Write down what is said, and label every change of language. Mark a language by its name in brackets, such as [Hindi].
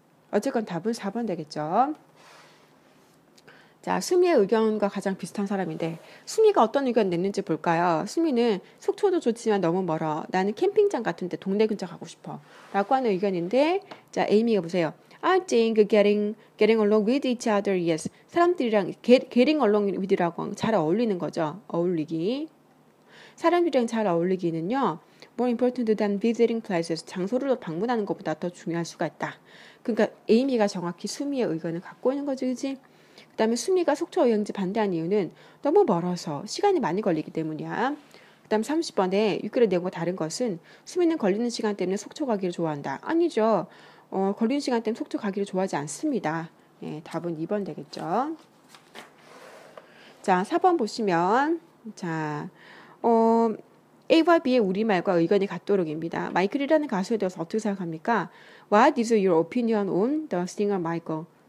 [Korean] 어쨌건 답은 4번 되겠죠. 자, 수미의 의견과 가장 비슷한 사람인데 수미가 어떤 의견 냈는지 볼까요? 수미는 속초도 좋지만 너무 멀어. 나는 캠핑장 같은데 동네 근처 가고 싶어. 라고 하는 의견인데 자, 에이미가 보세요. [English] I think getting along with each other, yes. [Korean] 사람들이랑 getting along with라고 잘 어울리는 거죠. 어울리기. 사람들이랑 잘 어울리기는요. [English] More important than visiting places. [Korean] 장소를 방문하는 것보다 더 중요할 수가 있다. 그러니까 에이미가 정확히 수미의 의견을 갖고 있는 거지, 그치? 그 다음에 수미가 속초 여행지 반대한 이유는 너무 멀어서 시간이 많이 걸리기 때문이야. 그 다음 30번에 육교를 내고 다른 것은 수미는 걸리는 시간 때문에 속초 가기를 좋아한다. 아니죠. 걸리는 시간 때문에 속초 가기를 좋아하지 않습니다. 예, 답은 2번 되겠죠. 자, 4번 보시면 자, A와 B의 우리말과 의견이 같도록입니다. 마이클이라는 가수에 대해서 어떻게 생각합니까? [English] What is your opinion on the singer Michael?